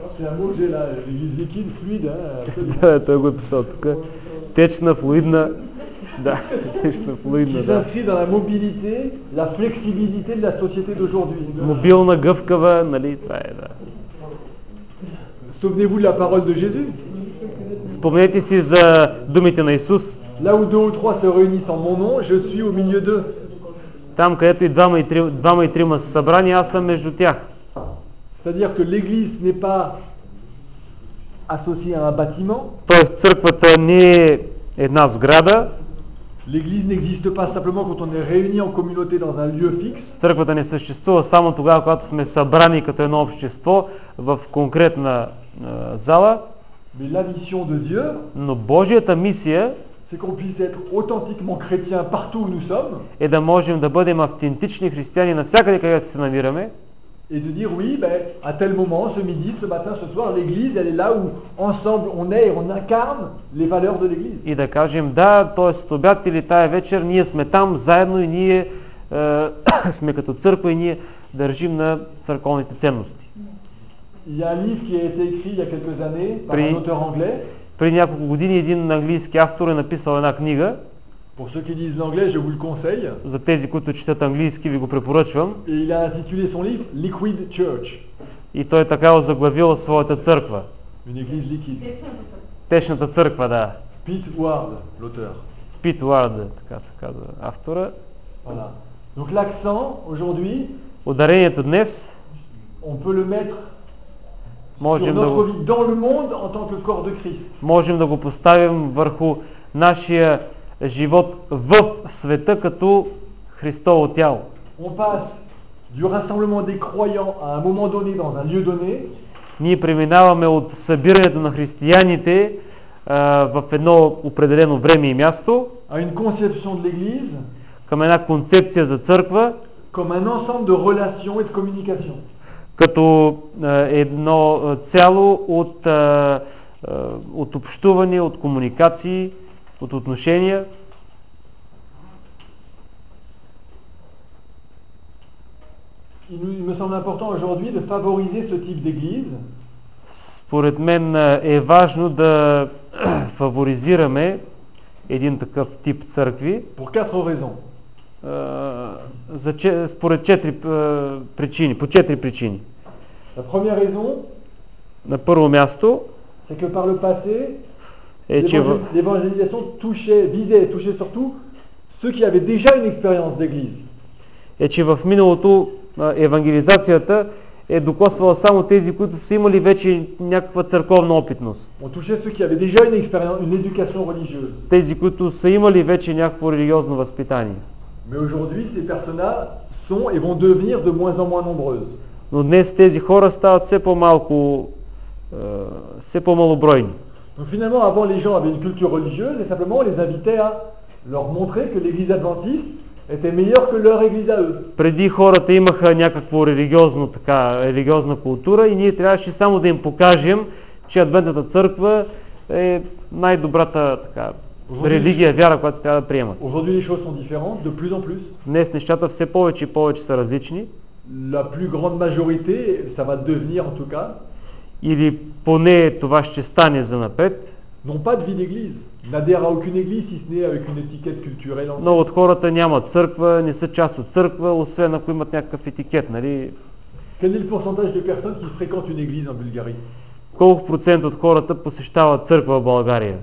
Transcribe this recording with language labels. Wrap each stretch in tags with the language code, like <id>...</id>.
<fr>C'est un mot de la l'église liquide, fluide.</fr> <bg>Да, той го е писал тук. Течна, флуидна. Да, течна, флуидна.</bg> <fr>Qui s'inscrit dans la mobilité, la flexibilité de la société d'aujourd'hui.</fr> <bg>Мобилна, гъвкава, нали? Това е, да.</bg> <fr>Souvenez-vous de la parole de Jésus?</fr> <bg>Спомнете си за думите на Исус.</bg> <fr>Là où deux ou trois se réunissent en mon nom, je suis au milieu d'eux.</fr> <bg>Там, където и двама и трима са събрани, аз съм между тях.</bg> <fr>C'est-à-dire que l'église n'est pas associée à un bâtiment.</fr> <bg>Тоест, църквата не е една сграда.</bg> <fr>L'église n'existe pas simplement quand on est réuni en communauté dans un lieu fixe.</fr> <bg>Църквата не съществува само тогава, когато сме събрани като едно общество в конкретна зала.</bg> <fr>Mais la mission de Dieu,</fr> <bg>но Божията мисия,</bg> <fr>c'est qu'on puisse être authentiquement chrétien partout où nous sommes.</fr> <bg>Е да можем да бъдем автентични християни навсякъде, където се намираме.</bg> <fr>Et de dire oui, ben à tel moment, ce midi, ce matin, ce soir, l'église, elle est là où ensemble on est et on incarne les valeurs de l'église.</fr> <bg>И да кажем да, т.е. обяд или тая вечер, ние сме там заедно и ние сме като църква и ние държим на църковните ценности.</bg> <fr>Il y a un livre qui a été écrit il y a quelques années par un auteur anglais.</fr> <bg>При няколко години един английски автор е написал една книга.</bg> <fr>Pour ceux qui lisent l'anglais, je vous le conseille.</fr> <bg>За тези, които четат английски, ви го препоръчвам.</bg> <fr>Et il a intitulé son livre Liquid Church.</fr> <bg>И той е така озаглавил своята църква.</bg> <fr>Une église liquide.</fr> <bg>Течната църква, да.</bg> <fr>Pete Ward, l'auteur.</fr> <bg>Pete Ward, така се казва автора.</bg> <fr>Voilà. Donc l'accent aujourd'hui,</fr> <bg>ударението днес,</bg> <fr>on peut le mettre</fr> <bg>можем да</bg> <fr>dans le monde en tant que corps de Christ.</fr> <bg>Можем да го поставим върху нашия живот в света като Христово тяло.</bg> <fr>On passe du rassemblement des croyants à un moment donné dans un lieu donné.</fr> <bg>Ние преминаваме от събирането на християните в едно определено време и място,</bg> <fr>à une conception de l'église,</fr> <bg>към една концепция за църква,</bg> <fr>comme un ensemble de relations et de communication.</fr> <bg>Като едно цяло от от общуване, от комуникации, от отношения.</bg> <fr>Il me semble important aujourd'hui de favoriser ce type d'église.</fr> <bg>Според мен е важно да фаворизираме един такъв тип църкви.</bg> <fr>Pour quatre raisons.</fr> <bg>Според четири причини, по четири причини.</bg> <fr>La première raison,</fr> <bg>на първо място,</bg> <fr>c'est que par le passé, l'évangélisation visait surtout ceux qui avaient déjà une expérience d'église.</fr> <bg>Е, че в миналото евангелизацията е докосвала само тези, които са имали вече някаква църковна опитност.</bg> <fr>On touchait ceux qui avaient déjà une expérience, une éducation religieuse.</fr> <bg>Тези, които са имали вече някакво религиозно възпитание.</bg> <fr>Mais aujourd'hui, ces personnes sont et vont devenir de moins en moins nombreuses.</fr> <bg>Но днес тези хора стават все по-малко, все по-малобройни.</bg> <fr>Donc finalement, avant les gens avaient une culture religieuse et simplement on les invitait à leur montrer que l'église adventiste était meilleure que leur église à eux.</fr> <bg>Преди хората имаха някакво религиозно, така, религиозна култура и ние трябваше само да им покажем, че адвентната църква е най-добрата, така, религия, вяра, която трябва да приемат.</bg> <fr>Aujourd'hui les choses sont différentes, de plus en plus.</fr> <bg>Днес нещата все повече и повече са различни.</bg> <fr>la plus grande majorité, ça va devenir en tout cas.</fr> <bg>Или поне това ще стане за напред.</bg> <fr>Non pas de vie d'église. N'adhère à aucune église si ce n'est avec une étiquette culturelle ensemble.</fr> <bg>Но от хората няма църква, не са част от църква, освен ако имат някакъв етикет, нали?</bg> <fr>Quel est le pourcentage de personnes qui fréquentent une église en Bulgarie?</fr> <bg>Колко процент от хората посещават църква в България?</bg>